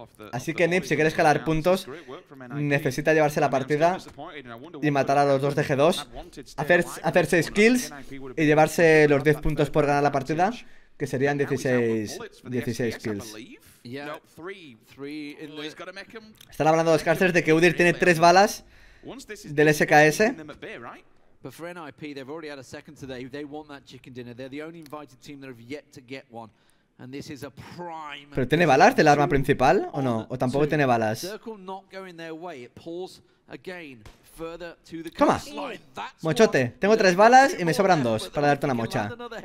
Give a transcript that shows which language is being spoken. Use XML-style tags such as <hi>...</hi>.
<es>Así que NiP, si quiere escalar puntos, necesita llevarse la partida y matar a los 2 de G2, hacer 6 kills y llevarse los 10 puntos por ganar la partida, que serían 16 kills. Están hablando los casters de que Udyr tiene 3 balas del SKS.</es> <en>But for NIP, they've already had a second today. They want that chicken dinner. They're the only invited team that have yet to get one. And this is a prime.</en> <es>¿Pero tiene balas del arma principal o no? ¿O tampoco tiene balas?</es> <en>Circle not going their way. It pulls again further to the coast.</en> <es>Toma. Mochote, tengo 3 balas y me sobran 2 para darte una mocha.</es>